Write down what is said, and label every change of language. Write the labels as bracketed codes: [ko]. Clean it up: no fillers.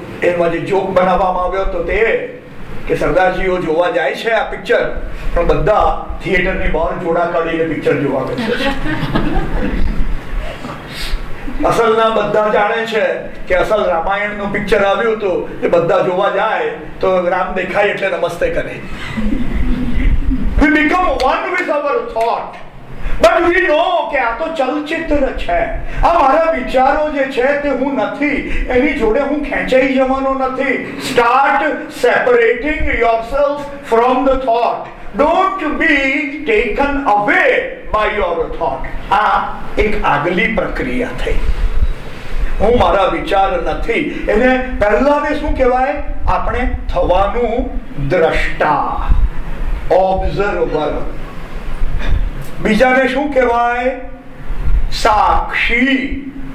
[gu] એમાં જે જોક બનાવવામાં આવ્યો હતો તે કે સરદારજીઓ જોવા જાય છે આ પિક્ચર, પણ બધા થિયેટરની બહાર જોડા કાઢીને પિક્ચર જોવા ગયા છે. અસલના બધા જાણે છે કે અસલ રામાયણ નું પિક્ચર આવ્યું હતું, એ બધા જોવા જાય તો રામ દેખાય એટલે નમસ્તે કરે. [en] We become one with our thought. But we know [gu] કે આ તો ચલચિત્ર છે, આ મારા વિચારો જે છે તે હું નથી, એની જોડે હું ખેંચાઈ જવાનો નથી. [en] Start separating yourself from the thought. Don't be taken away by your thought. [gu] આ એક આગલી પ્રક્રિયા થઈ. હું મારા વિચાર નથી એને પહેલાને શું કહેવાય, આપણે થવાનું દ્રષ્ટા, ઓબ્ઝર્વર. બીજાને શું કહેવાય, સાક્ષી.